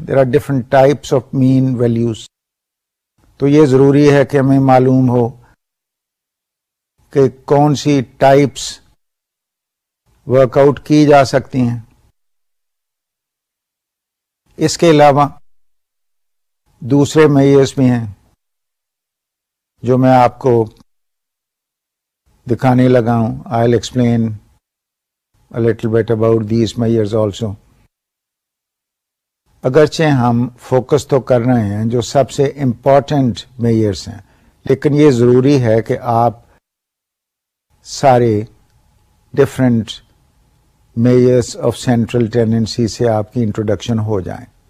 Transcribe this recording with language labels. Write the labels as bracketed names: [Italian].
[English] There are different types of main values. [Urdu] تو یہ ضروری ہے کہ ہمیں معلوم ہو کہ کون سی ٹائپس ورک آؤٹ کی جا سکتی ہیں. اس کے علاوہ دوسرے میئرز بھی ہیں جو میں آپ کو دکھانے لگا ہوں. [English] I'll explain a little bit about these measures also. [Urdu] اگرچہ ہم فوکس تو کر رہے ہیں جو سب سے امپورٹنٹ میئرز ہیں لیکن یہ ضروری ہے کہ آپ سارے different measures of central tendency سے آپ کی انٹروڈکشن ہو جائیں.